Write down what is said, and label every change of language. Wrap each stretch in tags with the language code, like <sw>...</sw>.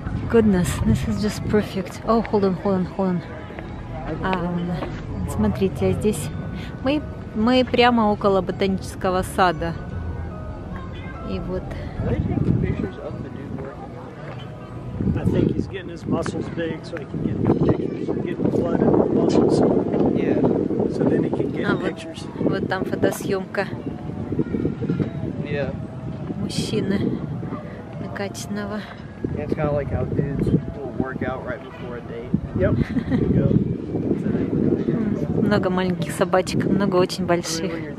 <en>Goodness, this is just perfect. Oh, hold on, hold on, hold on.</en> <ru>Смотрите, здесь мы прямо около ботанического сада. И вот.</ru> <en>I think he's getting his muscles big so he can get pictures. He's getting blood in the muscles. Yeah. So then he can get pictures.</en> <ru>Вот там фотосъемка.</ru> <en>Yeah.</en> <ru>Мужчины накачанного.</ru> <en>Yeah, it's kind of like how dudes will work out right before a date. Yep.</en> <ru>Много маленьких собачек, много очень больших.</ru>